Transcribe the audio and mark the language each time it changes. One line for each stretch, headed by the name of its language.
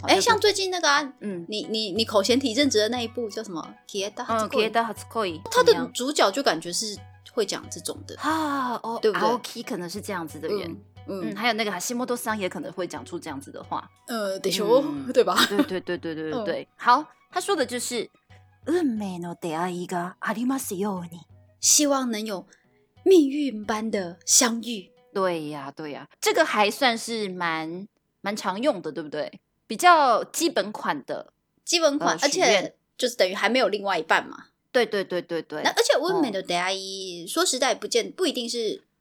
Chinese: 哎，像最近那个啊，你口嫌体正直的那一部叫什么？ 《Kieta》。嗯，《Kieta》还是可以。他的主角就感觉是会讲这种的啊，哦，对不对？Aoki 可能是这样子的人。嗯，还有那个西莫多桑也可能会讲出这样子的话，
Japanese: でしょ，
Chinese: 对吧？对对对对对对对。好，他说的就是
Japanese: 運命の出会いがありますように，
Chinese: 希望能有命运般的相遇。对呀，对呀，这个还算是蛮常用的，对不对？比较基本款的，基本款，而且就是等于还没有另外一半嘛。对对对对对。那而且
Japanese: 運命の出会い，
Chinese: 说实在，不一定是。